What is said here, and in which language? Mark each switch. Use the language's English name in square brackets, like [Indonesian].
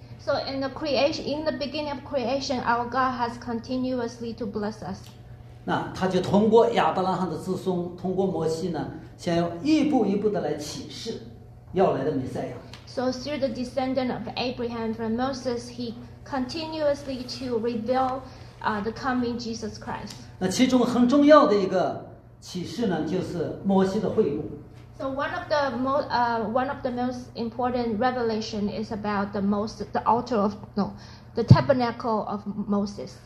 [English] So in the creation, in the beginning of creation, our God has continuously to bless us. [Chinese] 那他就通过亚伯拉罕的子孙，通过摩西呢，先要一步一步的来启示要来的弥赛亚。 [English] So through the descendant of Abraham from Moses, he continuously to reveal the coming Jesus Christ. [Chinese] 那其中很重要的一个启示呢，就是摩西的会幕。 [English] So one of the most important revelation is about the tabernacle of Moses.